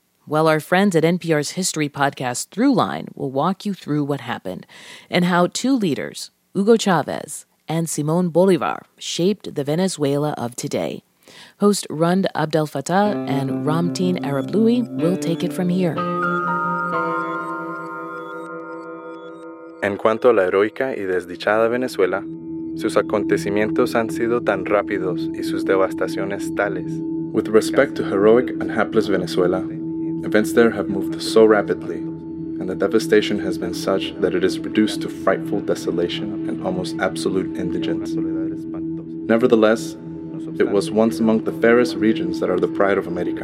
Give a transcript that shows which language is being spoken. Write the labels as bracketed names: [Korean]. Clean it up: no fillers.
[English] Well, our friends at NPR's history podcast, Throughline, will walk you through what happened and how two leaders, Hugo Chavez and Simon Bolivar, shaped the Venezuela of today. Host Rund Abdel Fattah and Ramtin Arablouei will take it from here. [Spanish] En cuanto a la heroica y desdichada Venezuela, sus acontecimientos han sido tan rápidos y sus devastaciones tales. [English] With respect to heroic and hapless Venezuela, events there have moved so rapidly, and the devastation has been such that it is reduced to frightful desolation and almost absolute indigence. Nevertheless, it was once among the fairest regions that are the pride of America.